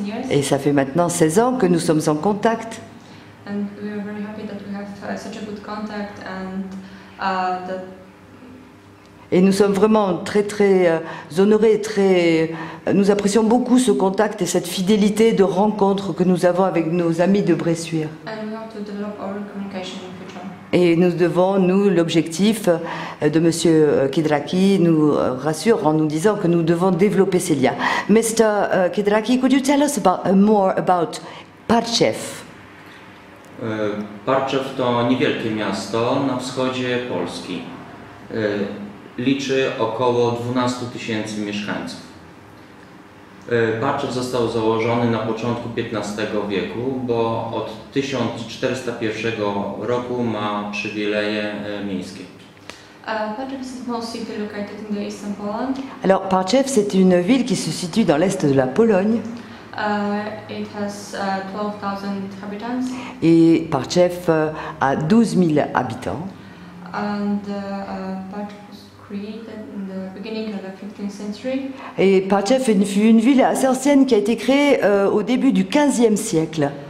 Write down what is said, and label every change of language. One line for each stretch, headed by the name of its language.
French: Et ça fait maintenant 16 ans que nous sommes en contact.
English: And we are very happy that we have such a good contact and that.
French: Et nous sommes vraiment très très honorés, très. Nous apprécions beaucoup ce contact et cette fidélité de rencontre que nous avons avec nos amis de Bressuir.
English: And we have to develop our communication in future.
French: Et nous devons, nous, l'objectif de M. Ketraki nous rassure en nous disant que nous devons développer ces liens.
English: Mr. Ketraki, could you tell us more about Partchev?
Polish: Partchev to niewielkie miasto na wschodzie Polski. Liczy około 12 tysięcy mieszkańców. Partchev został założony na początku XV wieku, bo od 1401 roku ma przywileje miejskie.
English: Partchev is mostly located in the eastern Poland.
French: Alors Partchev, c'est une ville qui se situe dans l'est de la Pologne.
English: It has 12,000 habitants.
French: Et Partchev a 12,000 habitants.
English: And Partchev was created in the beginning of the 15th century.
French: Et Partchev fut une ville assez ancienne qui a été créée au début du 15e siècle.